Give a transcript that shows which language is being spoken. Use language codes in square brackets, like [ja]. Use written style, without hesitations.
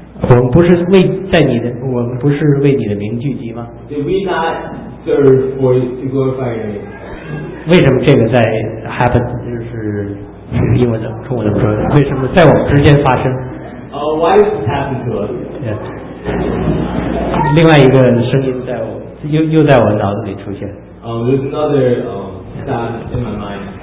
[zh] 我们不是为你的名聚集吗 [en] ？Did we not serve for to glorify your name? [zh] 为什么这个在 happen 就是因为冲我的说，为什么在我们之间发生 [en] ？Why does this happen to us? Yeah. [zh] 另外一个声音在我又在我脑子里出现。 [en] There's another sound in my mind.